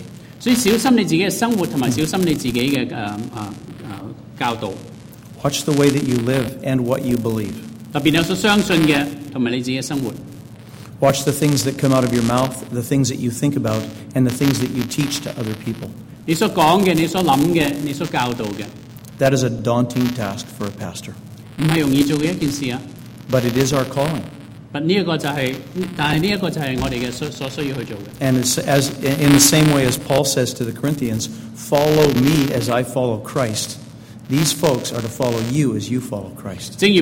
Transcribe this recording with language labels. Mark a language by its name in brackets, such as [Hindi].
[English] Watch the way that you live and what you believe. Watch the things that come out of your mouth, the things that you think about, and the things that you teach to other people. [Chinese] 你所讲的，你所想的，你所教导的。 [English] That is a daunting task for a pastor. [Chinese] 不是容易做的一件事啊。 [English] But it is our calling. [Chinese] 但这个就是我们所需要去做的。 [English] And as in the same way as Paul says to the Corinthians, follow me as I follow Christ. These folks are to follow you as you follow Christ.